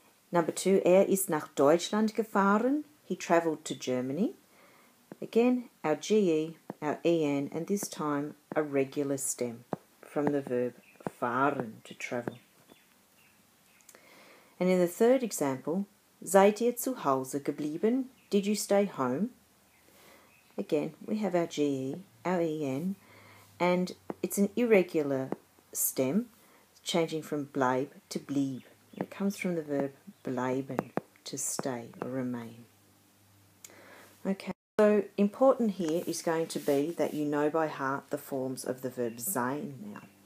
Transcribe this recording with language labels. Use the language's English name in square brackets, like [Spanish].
[English] Number two, [German] ist nach Deutschland gefahren. [English] He travelled to Germany. Again, our ge, our en, and this time a regular stem from the verb fahren, to travel. And in the third example, [German] seid ihr zu Hause geblieben? [English] Did you stay home? Again, we have our ge, our en, and it's an irregular stem, changing from bleib to blieb. It comes from the verb bleiben, to stay or remain. Okay, so important here is going to be that you know by heart the forms of the verb sein now.